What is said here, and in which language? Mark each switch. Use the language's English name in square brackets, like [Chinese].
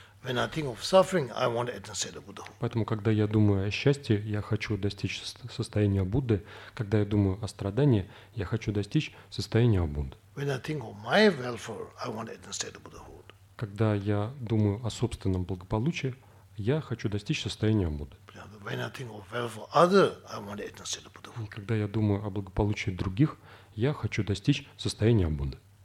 [English] When I think of suffering, I want to attain the Buddhahood. [Russian] Поэтому, когда я думаю о счастье, я хочу достичь состояния Будды. Когда я думаю о страдании, я хочу достичь состояния Будды. [English] When I think of my welfare, I want to attain the Buddhahood. [Russian] Когда я думаю о собственном благополучии, я хочу достичь состояния Будды. [English] When I think of welfare other, I want to attain the Buddhahood. [Russian] Когда я думаю о благополучии других, я хочу достичь состояния Будды.